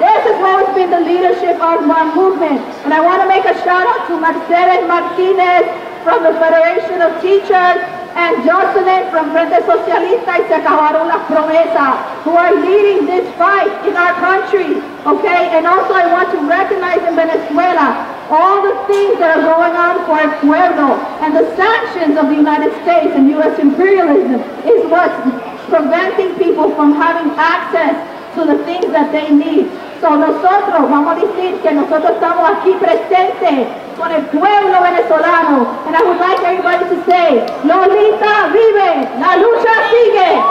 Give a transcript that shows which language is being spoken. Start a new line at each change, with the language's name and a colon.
English: This has always been the leadership of my movement. And I want to make a shout out to Mercedes Martinez from the Federation of Teachers and Jocelyn from Frente Socialista y Se Acabaron Las Promesas, who are leading this fight in our country, okay? And also I want to recognize in Venezuela all the things that are going on for El Pueblo and the sanctions of the United States and U.S. imperialism is what's preventing people from having access to the things that they need.
Spanish: So nosotros vamos a decir que nosotros estamos aquí presentes con el pueblo venezolano.
English: And I would like everybody to say,
Spanish: Lolita vive, la lucha sigue.